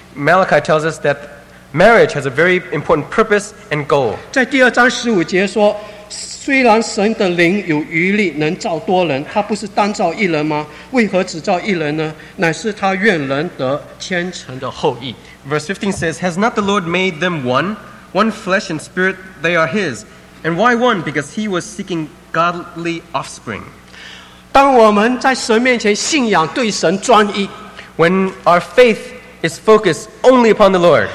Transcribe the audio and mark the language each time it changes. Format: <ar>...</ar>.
<en>Malachi tells us that marriage has a very important purpose and goal.</en> <zh>在第二章十五节说， 虽然神的灵有余力能造多人，他不是单造一人吗？为何只造一人呢？乃是他愿人得千乘的后裔。</zh> <en>Verse 15 says, Has not the Lord made them one? One flesh and spirit, they are his. And why one? Because he was seeking godly offspring.</en> <zh>当我们在神面前信仰对神专一，</zh> <en>When our faith is focused only upon the Lord.</en>